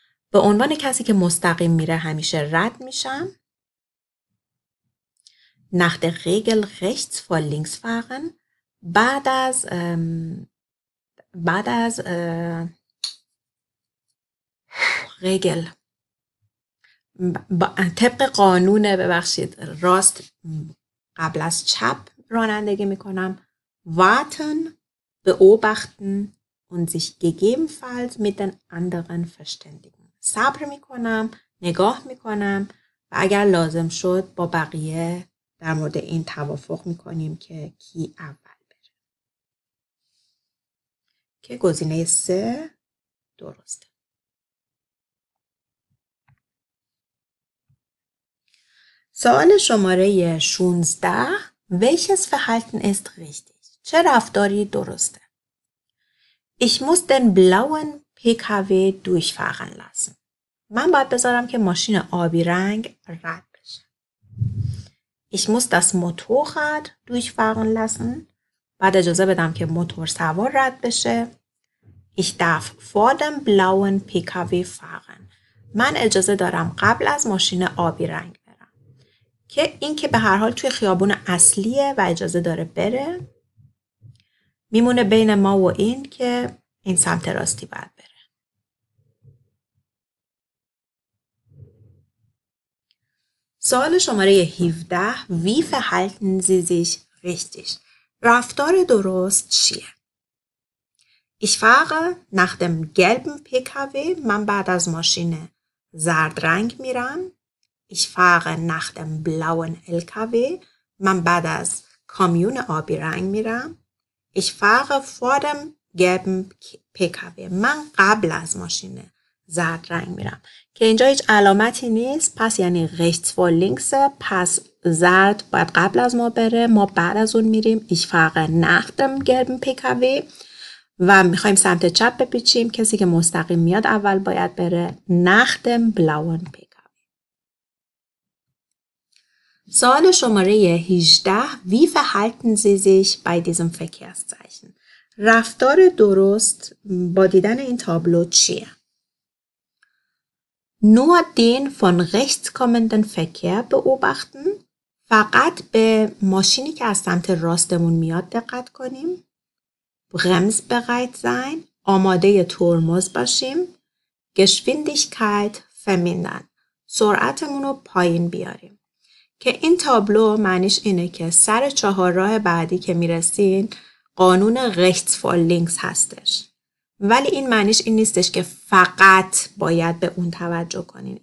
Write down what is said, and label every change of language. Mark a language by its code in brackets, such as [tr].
[fa] به عنوان کسی که مستقیم میره همیشه رد میشم. [de] Nach der Regel rechts vor links fahren. [fa] طبق قانون، ببخشید، راست قبل از چپ رانندگی میکنم. [de] Warten, beobachten und sich gegebenenfalls mit den anderen verständigen. [fa] صبر میکنم، نگاه میکنم و اگر لازم شد با بقیه در مورد این توافق میکنیم که کی اول بره. که گزینه 3 درسته. سوال شماره [de] 16: Welches Verhalten ist richtig? [fa] چه رفتاری درسته؟ [de] Ich muss den blauen PKW durchfahren lassen. [fa] من باید بذارم که ماشین آبی رنگ رد بشه. [de] Ich muss das Motorrad durchfahren lassen. [fa] بعد اجازه بدم که موتور سوار رد بشه. [de] Ich darf vor dem blauen PKW fahren. [fa] من اجازه دارم قبل از ماشین آبی رنگ برم. که این که به هر حال توی خیابون اصلیه و اجازه داره بره. میمونه بین ما و این که این سمت راستی بعد. سوال شماره [de] 17: Wie verhalten Sie sich richtig? [fa] رفتار درست چیه؟ [de] Ich fahre nach dem gelben PKW. [fa] من بعد از ماشین زرد رنگ میرم. [de] Ich fahre nach dem blauen LKW. [fa] من بعد از کامیون آبی رنگ میرم. [de] Ich fahre vor dem gelben PKW. [fa] من قبل از ماشین زرد رنگ میرم. که اینجا هیچ علامتی نیست، پس یعنی [de] rechts vor links، [fa] پس زرد باید قبل از ما بره، ما بعد از اون میریم. [de] ich fahre nach dem gelben PKW [fa] و میخوایم سمت چپ بپیچیم، کسی که مستقیم میاد اول باید بره. [de] nach dem blauen PKW. [fa] سوال شماره [de] 18: Wie verhalten Sie sich bei diesem Verkehrszeichen? [fa] رفتار درست با دیدن این تابلو چیه؟ [de] Nur den von rechts kommenden Verkehr beobachten. [fa] فقط به ماشینی که از سمت راستمون میاد دقت کنیم. [de] Brems bereit sein. [fa] آماده ترمز باشیم. [de] Geschwindigkeit vermindern. [fa] سرعتمون رو پایین بیاریم. که این تابلو معنیش اینه که سر چهار راه بعدی که میرسین قانون [de] rechts vor links [fa] هستش. ولی این معنیش این نیستش که فقط باید به اون توجه کنین.